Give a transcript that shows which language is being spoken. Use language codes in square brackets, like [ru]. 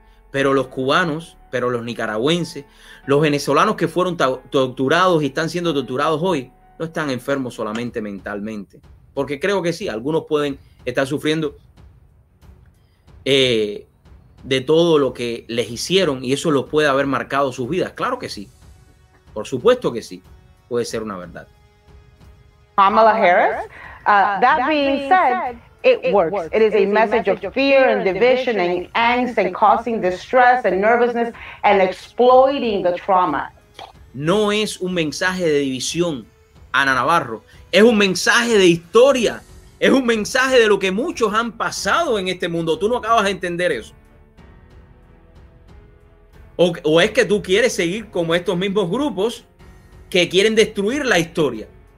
[es] Pero los cubanos, pero los nicaragüenses, los venezolanos que fueron torturados y están siendo torturados hoy, no están enfermos solamente mentalmente. Porque creo que sí, algunos pueden estar sufriendo de todo lo que les hicieron y eso los puede haber marcado sus vidas. Claro que sí. Por supuesto que sí. Puede ser una verdad. [en] Kamala Harris, that being said, it works. It is a message of fear and division and angst and causing distress and nervousness and exploiting the trauma. [es] No es un mensaje de división, Ana Navarro. Es un mensaje de historia. Es un mensaje de lo que muchos han pasado en este mundo. Tú no acabas de entender eso. O es que tú quieres seguir como estos mismos grupos que quieren destruir la historia.